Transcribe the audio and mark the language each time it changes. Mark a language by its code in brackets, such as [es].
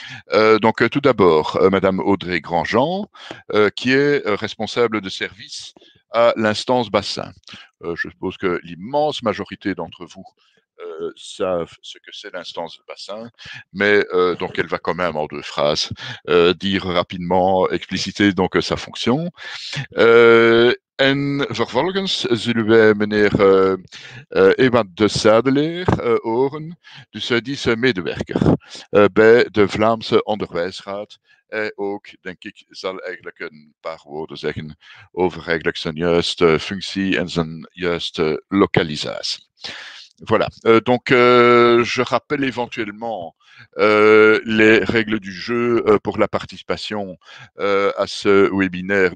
[fr] Tout d'abord, Madame Audrey Grandjean, qui est responsable de service à l'instance Bassin. Je suppose que l'immense majorité d'entre vous savent ce que c'est l'instance Bassin, mais donc elle va quand même en deux phrases dire rapidement, expliciter donc sa fonction. [nl] En vervolgens zullen wij meneer Ewan de Sadeleer horen, dus die is medewerker bij de Vlaamse Onderwijsraad. Hij ook, denk ik, zal eigenlijk een paar woorden zeggen over eigenlijk zijn juiste functie en zijn juiste localisatie. [fr] Voilà. Je rappelle éventuellement les règles du jeu pour la participation à ce webinaire.